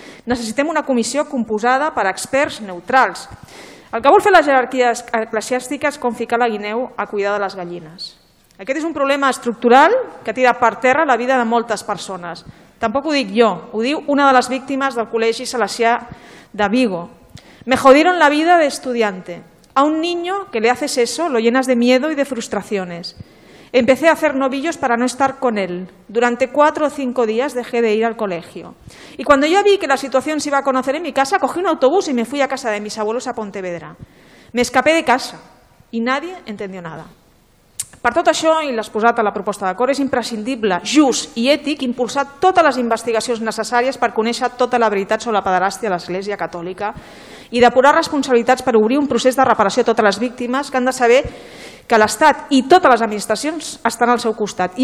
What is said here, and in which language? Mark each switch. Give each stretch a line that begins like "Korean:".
Catalan: Necessitem una comissió composada per experts neutrals. El que vol fer la jerarquia eclesiàstica és com ficar la guineu a cuidar de les gallines. Aquest és un problema estructural que tira per terra la vida de moltes persones. Tampoc ho dic jo, ho diu una de les víctimes del Col·legi Salesià de Vigo.
Spanish: Me jodieron la vida de estudiante. A un niño que le haces eso lo llenas de miedo y de frustraciones. Empecé a hacer novillos para no estar con él. Durante 4 o 5 días dejé de ir al colegio. Y cuando yo vi que la situación se iba a conocer en mi casa, cogí un autobús y me fui a casa de mis abuelos a Pontevedra. Me escapé de casa y nadie entendió nada.
Catalan: Per tot això, i l'exposat a la proposta d'acord, és imprescindible, just i ètic impulsar totes les investigacions necessàries per conèixer tota la veritat sobre la pederàstia a l'Església Catòlica i depurar responsabilitats per obrir un procés de reparació a totes les víctimes que han de saber que l'Estat i totes les administracions estan al seu costat.